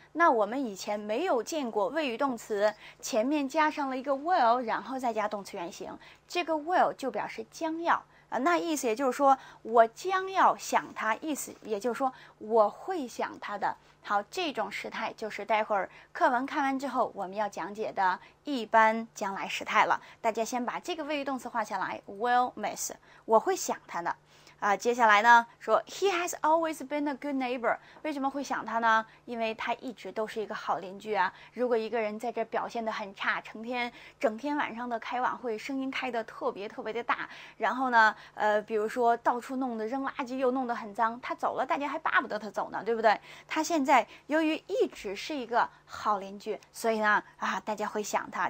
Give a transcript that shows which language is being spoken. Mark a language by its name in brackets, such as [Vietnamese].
[Chinese] 那我们以前没有见过谓语动词前面加上了一个 will， 然后再加动词原形，这个 will 就表示将要，那意思也就是说我将要想他，意思也就是说我会想他的。好，这种时态就是待会儿课文看完之后我们要讲解的一般将来时态了。大家先把这个谓语动词画下来， will miss，我会想他的。 [English] 接下来呢说 He has always been a good neighbor。 [Chinese] 为什么会想他呢？因为他一直都是一个好邻居啊。如果一个人在这表现得很差，整天晚上的开晚会，声音开得特别特别的大，然后呢比如说到处弄得扔垃圾又弄得很脏，他走了大家还巴不得他走呢，对不对？他现在由于一直是一个好邻居，所以呢大家会想他。